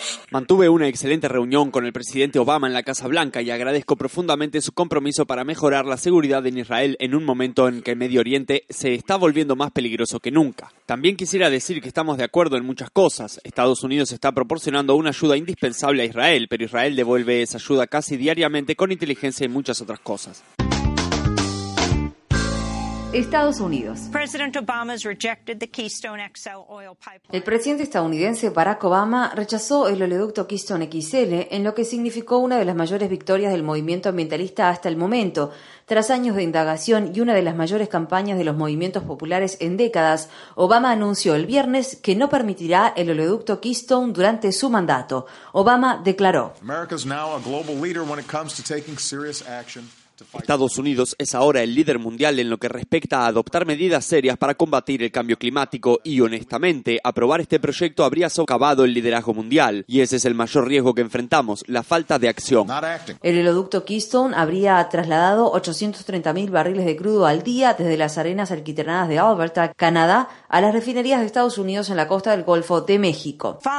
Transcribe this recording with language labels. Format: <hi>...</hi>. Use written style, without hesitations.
<es>mantuve una excelente reunión con el presidente Obama en la Casa Blanca y agradezco profundamente su compromiso para mejorar la seguridad en Israel en un momento en que el Medio Oriente se está volviendo más peligroso que nunca. También quisiera decir que estamos de acuerdo en muchas cosas. Estados Unidos está proporcionando una ayuda indispensable a Israel, pero Israel devuelve esa ayuda casi diariamente con inteligencia y muchas otras cosas. Estados Unidos.</es> <en>President Obama's rejected the Keystone XL oil pipeline.</en> <es>El presidente estadounidense Barack Obama rechazó el oleoducto Keystone XL, en lo que significó una de las mayores victorias del movimiento ambientalista hasta el momento. Tras años de indagación y una de las mayores campañas de los movimientos populares en décadas, Obama anunció el viernes que no permitirá el oleoducto Keystone durante su mandato. Obama declaró:</es> <en>America is now a global leader when it comes to taking serious action.</en> <es>Estados Unidos es ahora el líder mundial en lo que respecta a adoptar medidas serias para combatir el cambio climático y, honestamente, aprobar este proyecto habría socavado el liderazgo mundial. Y ese es el mayor riesgo que enfrentamos, la falta de acción. El oleoducto Keystone habría trasladado 830.000 barriles de crudo al día desde las arenas arquitranadas de Alberta, Canadá, a las refinerías de Estados Unidos en la costa del Golfo de México.</es>